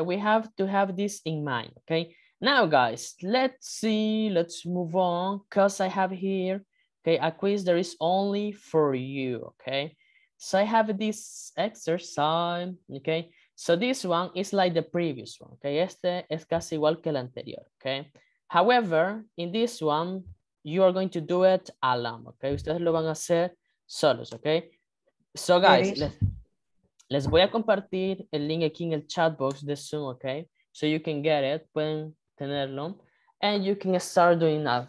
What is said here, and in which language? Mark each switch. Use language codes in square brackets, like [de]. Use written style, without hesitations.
[en] We have to have this in mind, ok? Now, guys, let's move on, because I have here, okay, a quiz that is only for you, okay? So I have this exercise, okay? So this one is like the previous one, okay? [es] Este es casi igual que el anterior, okay? [en] However, in this one, you are going to do it alone, okay? [es] Ustedes lo van a hacer solos, okay? [en] So guys, [es] les voy a compartir el link aquí en el chat box de Zoom, okay? [en] So you can get it, [es] pueden tenerlo, [en] and you can start doing that.